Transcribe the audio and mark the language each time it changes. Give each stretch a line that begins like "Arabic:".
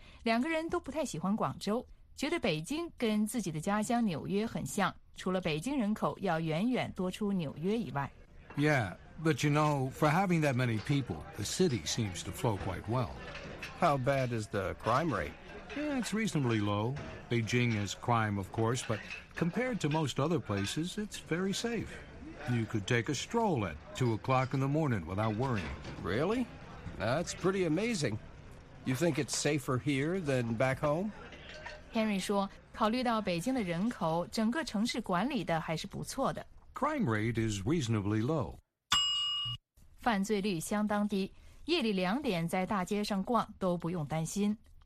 Chinese: 两个人都不太喜欢广州。觉得北京跟自己的家乡纽约很像，除了北京人口要远远多出纽约以外。
English: Yeah, but you know, for having that many people, the city seems to flow quite well. How bad is the crime rate? Yeah, it's reasonably low. Beijing is crime, of course, but compared to most other places, it's very safe. You could take a stroll at 2 o'clock in the morning without worrying. Really? That's pretty amazing. You think it's safer here than back home?
Chinese: Henry 说，考虑到北京的人口，整个城市管理的还是不错的。
English: Crime rate is reasonably low.
Chinese: 犯罪率相当低，夜里两点在大街上逛都不用担心。